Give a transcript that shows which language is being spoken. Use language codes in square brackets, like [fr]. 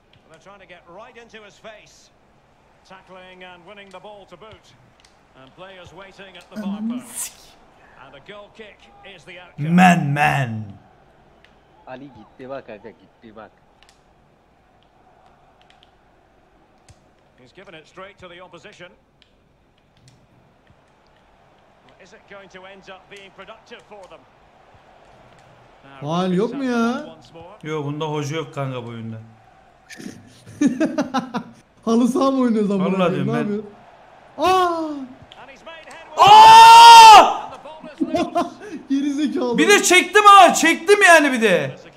[en] They're trying to get right into his face. Tackling and winning the ball to boot. And players waiting at the bar post. And a goal kick is the outcome. Men. [tr] Ali gitti bak, hadi gitti bak. [en] He's given it straight to the opposition. Well, is it going to end up being productive for them? [tr] Faul yok mu ya? Yok, bunda hoca yok kanka bu oyunda. Halı saha mı oynuyoruz amına koyayım? Ben... Aa! Aa! Geri zekalı. Bir de çektim ha, çektim yani bir de.